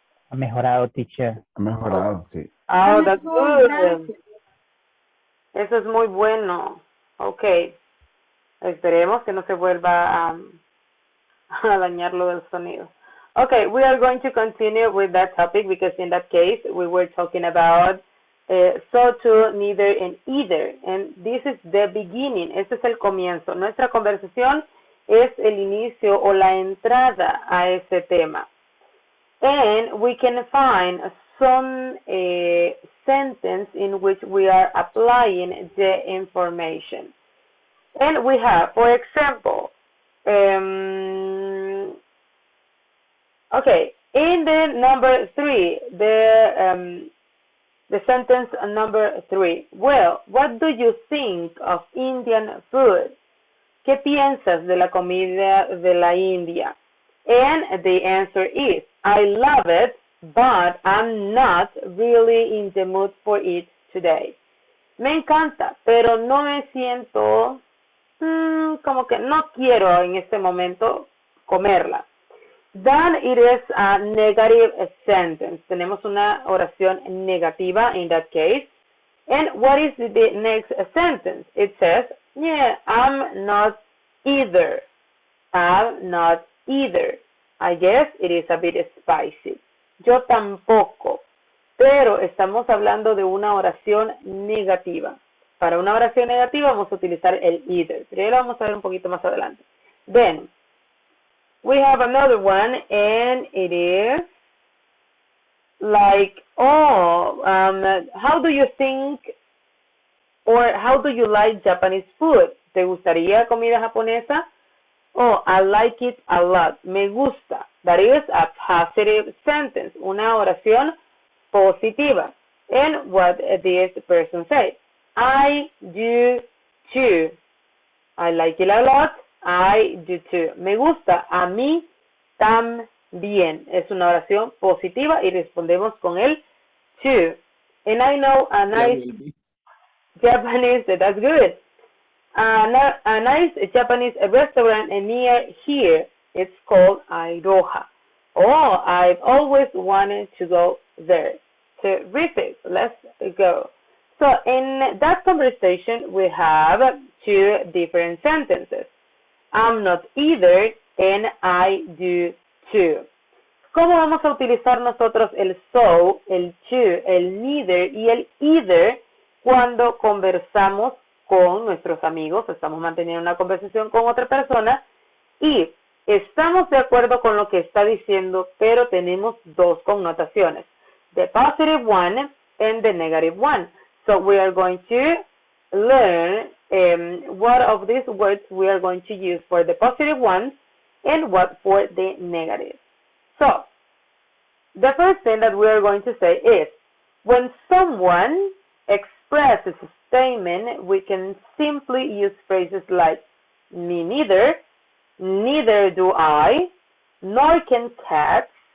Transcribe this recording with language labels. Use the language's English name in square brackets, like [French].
[Spanish] Ha mejorado, teacher. Ha mejorado, sí. [English] Oh, that's good. [Spanish] Gracias. Eso es muy bueno. Okay. Esperemos que no se vuelva a dañar lo del sonido. [English] Okay, we are going to continue with that topic because in that case, we were talking about so to, neither, and either. And this is the beginning. [Spanish] Este es el comienzo. Nuestra conversación es el inicio o la entrada a ese tema. [English] And we can find some sentence in which we are applying the information. And we have, for example, okay, in the number three, the sentence number three. Well, what do you think of Indian food? [Spanish] ¿Qué piensas de la comida de la India? [English] And the answer is, I love it, but I'm not really in the mood for it today. [Spanish] Me encanta, pero no me siento como que no quiero en este momento comerla. [English] Then it is a negative sentence. [Spanish] Tenemos una oración negativa [English] in that case. And what is the next sentence? It says, yeah, I'm not either. I'm not either. I guess it is a bit spicy. [Spanish] Yo tampoco. Pero estamos hablando de una oración negativa. Para una oración negativa vamos a utilizar el either. Pero ya lo vamos a ver un poquito más adelante. [English] Then, we have another one and it is like, oh, how do you think or how do you like Japanese food? [Spanish] ¿Te gustaría comida japonesa? [English] Oh, I like it a lot. [Spanish] Me gusta. [English] That is a positive sentence. [Spanish] Una oración positiva. [English] And what this person said. I do too. I like it a lot. I do too. [Spanish] Me gusta. A mí también. Es una oración positiva y respondemos con el too. [English] And I know a nice Japanese. That's good. A nice Japanese restaurant near here It's called Airoha. Oh, I've always wanted to go there. Terrific. Let's go. So in that conversation, we have two different sentences. I'm not either, and I do too. [Spanish] ¿Cómo vamos a utilizar nosotros el so, el to, el neither y el either cuando conversamos con nuestros amigos? Estamos manteniendo una conversación con otra persona y estamos de acuerdo con lo que está diciendo, pero tenemos dos connotaciones. [English] The positive one and the negative one. So we are going to learn what of these words we are going to use for the positive ones and what for the negative. So, the first thing that we are going to say is, when someone expresses a statement, we can simply use phrases like, me neither, neither do I, nor can cats,